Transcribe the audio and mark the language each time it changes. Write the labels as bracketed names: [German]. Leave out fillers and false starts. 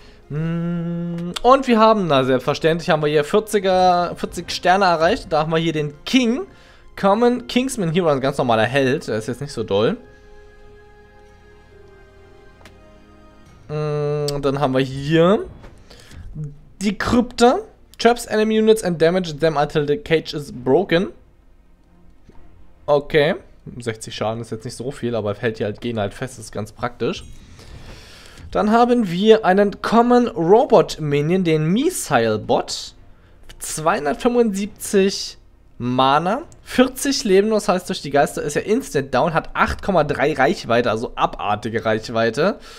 [German] Und wir haben, na selbstverständlich, haben wir hier 40 Sterne erreicht. Da haben wir hier den King. Common Kingsman Hero, ein ganz normaler Held. Der ist jetzt nicht so doll. Dann haben wir hier die Krypta. [English] Traps enemy units and damage them until the cage is broken. [German] Okay. 60 Schaden ist jetzt nicht so viel, aber hält die halt, gehen halt fest, ist ganz praktisch. Dann haben wir einen Common Robot Minion, den Missile Bot. 275 Mana, 40 Leben, das heißt, durch die Geister ist er instant down, hat 8,3 Reichweite, also abartige Reichweite.